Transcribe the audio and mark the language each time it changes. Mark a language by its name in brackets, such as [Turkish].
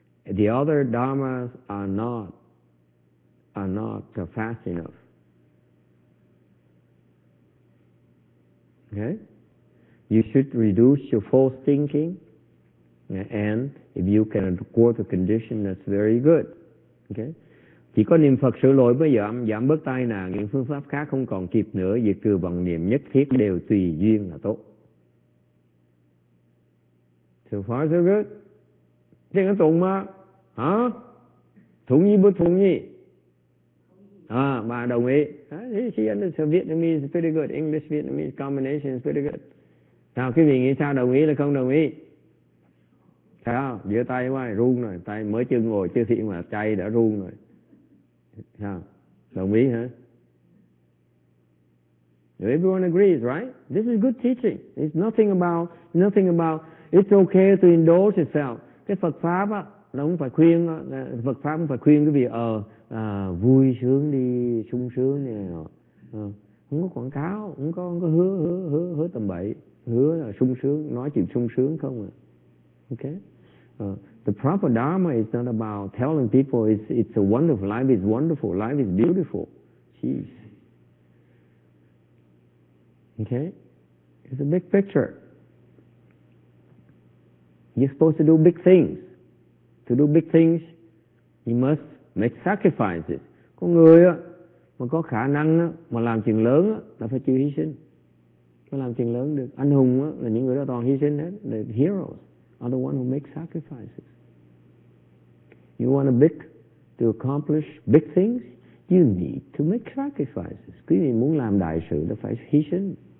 [English] The other dharmas are not fast enough. Okay? You should reduce your false thinking, and if you can acquire the condition, that's very good. Okay? [Vietnamese] Chỉ có niệm Phật sửa lỗi mới giảm bớt tai nạn, những phương pháp khác không còn kịp nữa, việc trừ bằng niệm nhất thiết đều tùy duyên là tốt. [English] So far so good. [Vietnamese] Thế có tụng mà. Hả? Thuận nhi bất thuận nhi. À, bà đồng ý. [English] She understood Vietnamese is pretty good. English-Vietnamese combination is pretty good. [Vietnamese] Sao quý vị nghĩ sao đồng ý là không đồng ý? Sao? Giữa tay quá này, run rồi. Tay mới chưa ngồi, chưa thiện mà chay đã run rồi. Sao? Đồng ý hả? [English] Everyone agrees, right? This is good teaching. It's nothing about, it's okay to indulge yourself. [Vietnamese] Cái Phật Pháp á, nó không phải khuyên, Phật Pháp không phải khuyên cái việc vui sướng đi, sung sướng này rồi. Không có quảng cáo, không có hứa tầm bậy. Hứa là sung sướng, nói chuyện sung sướng không à. Ok. [English] The proper dharma is not about telling people it's a wonderful, life is wonderful, life is beautiful. Jeez. Ok. It's a big picture. You're supposed to do big things. To do big things, you must make sacrifices. [Vietnamese] Có người á, mà có khả năng á, mà làm chuyện lớn á, là phải chịu hy sinh. Có làm chuyện lớn được. Anh hùng á, là những người đó toàn hy sinh hết. [English] The heroes are the ones who make sacrifices. You want a big to accomplish big things, you need to make sacrifices. [Vietnamese] Quý vị muốn làm đại sự là phải hy sinh.